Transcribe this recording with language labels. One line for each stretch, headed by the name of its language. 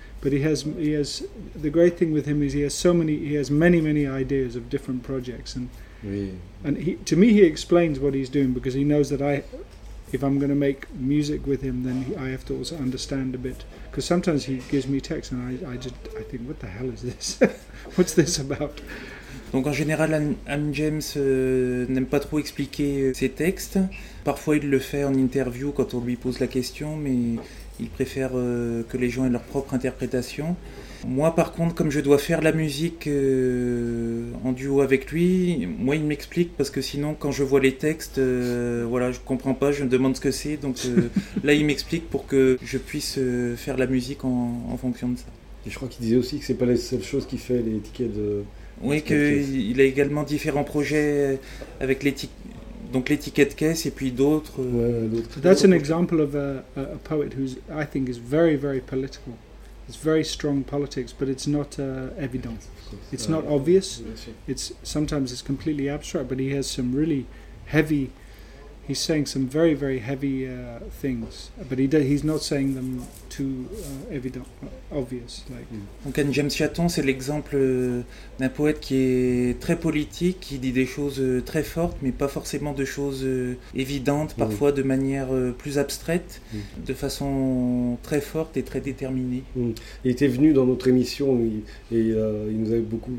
English: But he has the great thing with him is he has many ideas of different projects, and he, to me, he explains what he's doing because he knows that if I'm going to make music with him, then I have to also understand a bit, because sometimes he gives me texts and I think, what the hell is this? What's this about?
French: Donc en général, Anne James n'aime pas trop expliquer ses textes. Parfois, il le fait en interview quand on lui pose la question, mais il préfère que les gens aient leur propre interprétation. Moi, par contre, comme je dois faire la musique en duo avec lui, moi, il m'explique, parce que sinon, quand je vois les textes, voilà, je comprends pas, je me demande ce que c'est. Donc là, il m'explique pour que je puisse faire la musique en fonction de ça. Et je crois qu'il disait aussi que c'est pas la seule chose qui fait les tickets de... Oui, qu'il a également différents projets avec donc l'étiquette caisse et puis d'autres.
English: That's an example of a poet who's, I think, is very, very political. It's very strong politics, but it's not evident. It's not obvious. It's sometimes it's completely abstract, but he has some really heavy. He's saying some very, very heavy things, but he's not saying them too evident, obvious. Like.
French: Donc Anne James Chaton, c'est l'exemple d'un poète qui est très politique, qui dit des choses très fortes, mais pas forcément de choses évidentes, parfois de manière plus abstraite, de façon très forte et très déterminée. Il était venu dans notre émission et il nous avait beaucoup...